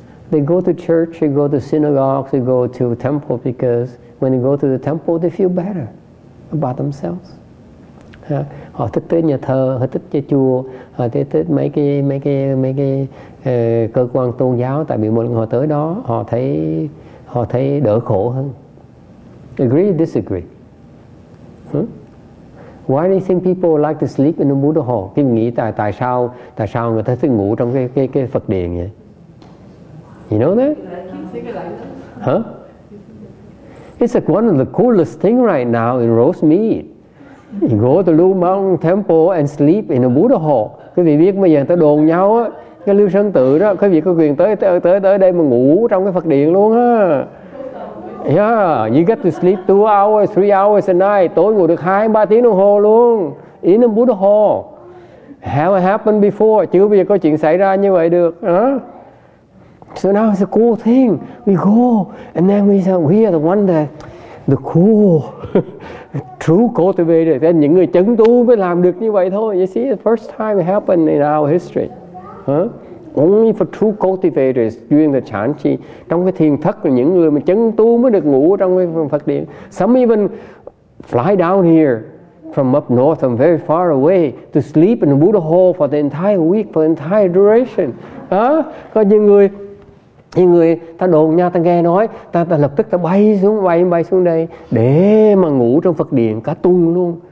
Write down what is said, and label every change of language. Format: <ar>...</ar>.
<en>They go to church, they go to synagogues, they go to temple because when they go to the temple, they feel better about themselves.</en> <vi>Họ thích tới nhà thờ, họ thích tới chùa, họ thích mấy cái cơ quan tôn giáo, tại vì mỗi lần họ tới đó họ thấy đỡ khổ hơn.</vi> <en>Agree or disagree? Why do you think people like to sleep in the Buddha hall?</en> <vi>Khi mình nghĩ tại sao người ta thích ngủ trong cái Phật điện vậy?</vi> <en>You know that? Huh? It's like one of the coolest thing right now in Rosemead. You go to Lu Mong Temple and sleep in a Buddha hall.</en> <vi>Quý vị biết bây giờ người ta đồn nhau á, cái lưu sân tự đó, quý vị có quyền tới tới đây mà ngủ trong cái Phật điện luôn á.</vi> <en>Yeah, you get to sleep 2 hours, 3 hours a night.</en> <vi>Tối ngủ được 2-3 tiếng đồng hồ luôn.</vi> <en>In the Buddha hall. How it happened before?</en> <vi>Chưa bao giờ có chuyện xảy ra như vậy được.</vi> <en>So now it's a cool thing. We go and then we say we are the one that the cool true cultivator.</en> <vi>Then những người chứng tu mới làm được như vậy thôi.</vi> <en>You see, the first time it happened in our history. Only for true cultivators during the chan chi.</en> <vi>Trong cái thiền thất là những người mà chứng tu mới được ngủ trong cái Phật điện.</vi> <en>Some even fly down here from up north and very far away to sleep in a Buddha hall for the entire week, for the entire duration.</en> <vi>Có những người ta đồn nha, ta nghe nói ta lập tức ta bay xuống đây để mà ngủ trong Phật điện cả tuần luôn.</vi>